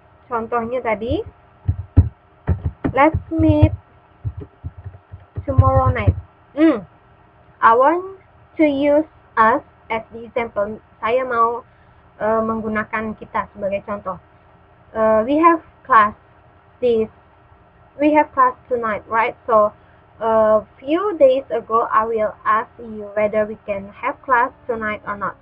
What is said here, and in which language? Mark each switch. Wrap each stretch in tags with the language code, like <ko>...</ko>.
<id>Contohnya tadi.</id> <en>Let's meet tomorrow night. I want to use us as the example.</en> <id>Saya mau menggunakan kita sebagai contoh.</id> <en>We have class this. We have class tonight, right? So, a few days ago, I will ask you whether we can have class tonight or not.</en>